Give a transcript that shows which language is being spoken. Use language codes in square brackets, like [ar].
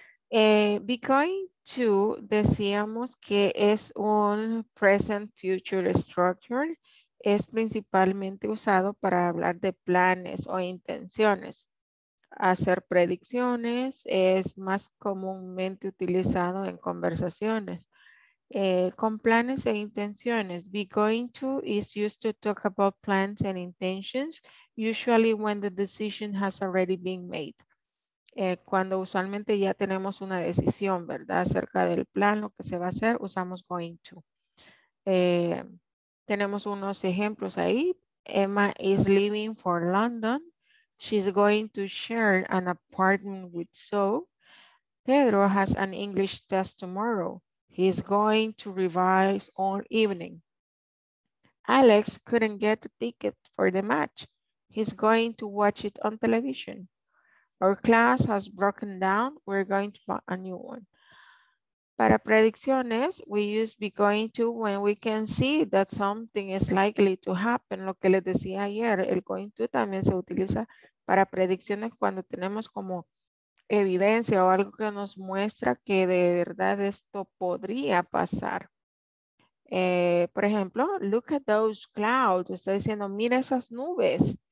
[es] Be going to, decíamos que es un present future structure, es principalmente usado para hablar de planes o intenciones. Hacer predicciones es más comúnmente utilizado en conversaciones. [en] Con planes e intenciones, be going to is used to talk about plans and intentions, usually when the decision has already been made. [es] Cuando usualmente ya tenemos una decisión, ¿verdad? Acerca del plan, lo que se va a hacer, usamos going to. [en] Tenemos unos ejemplos ahí. Emma is leaving for London. She's going to share an apartment with Zoe. Pedro has an English test tomorrow. He's going to revise all evening. Alex couldn't get a ticket for the match. He's going to watch it on television. Our class has broken down. We're going to buy a new one. Para predicciones, we use be going to when we can see that something is likely to happen. [es] Lo que les decía ayer, el going to también se utiliza para predicciones cuando tenemos como evidencia o algo que nos muestra que de verdad esto podría pasar. Por ejemplo, look at those clouds. Está diciendo, mira esas nubes.